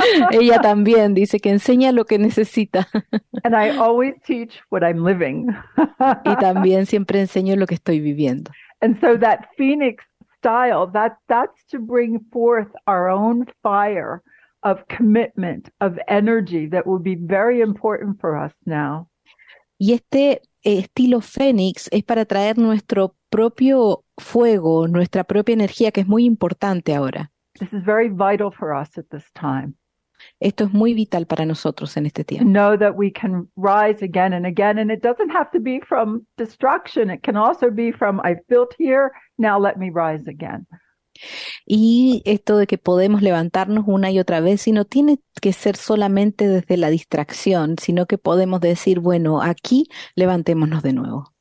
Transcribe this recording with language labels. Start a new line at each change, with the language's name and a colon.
Spanish: Ella también dice que enseña lo que necesita.
English: And I always teach what I'm living.
Spanish: Y también siempre enseño lo que estoy viviendo.
English: And so that Phoenix style, that's to bring forth our own fire of commitment, of energy that will be very important for us now.
Spanish: Y este estilo Fénix es para traer nuestro propio fuego, nuestra propia energía, que es muy importante ahora.
English: This is very vital for us at this time.
Spanish: Esto es muy vital para nosotros en este tiempo.
English: Know that we can rise again and again, and it doesn't have to be from destruction. It can also be from, I've built here, now let me rise again.
Spanish: Y esto de que podemos levantarnos una y otra vez, y no tiene que ser solamente desde la distracción, sino que podemos decir, bueno, aquí levantémonos de nuevo.